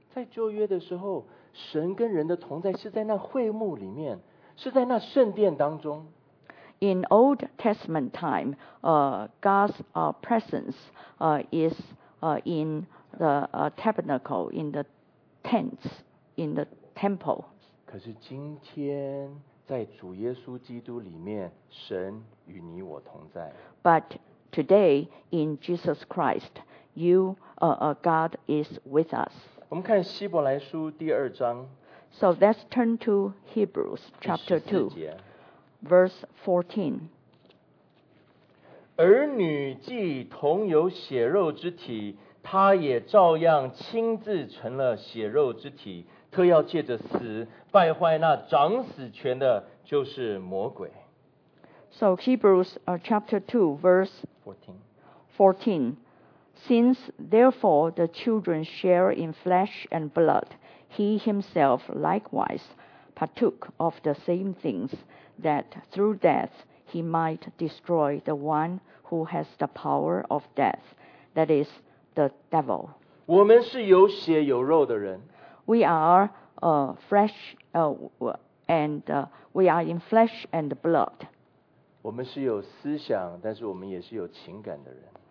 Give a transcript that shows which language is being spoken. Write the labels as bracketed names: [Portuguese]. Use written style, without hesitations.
[Chinese] 在旧约的时候，神跟人的同在是在那会幕里面，是在那圣殿当中。 [English] In Old Testament time, God's presence is in the tabernacle, in the tents, in the temple. [Chinese] 可是今天在主耶稣基督里面，神与你我同在。 [English] But today in Jesus Christ, God is with us. [Chinese] 我们看希伯来书第二章。 [English] So let's turn to Hebrews chapter 2, verse 14. [Chinese] 儿女既同有血肉之体，他也照样亲自成了血肉之体，特要借着死败坏那掌死权的，就是魔鬼。 [English] So Hebrews chapter 2 verse 14. Since therefore the children share in flesh and blood, he himself likewise partook of the same things, that through death he might destroy the one who has the power of death, that is the devil. [Chinese] 我们是有血有肉的人。 [English] We are fresh, and we are in flesh and blood. [Chinese] 我们是有思想，但是我们也是有情感的人。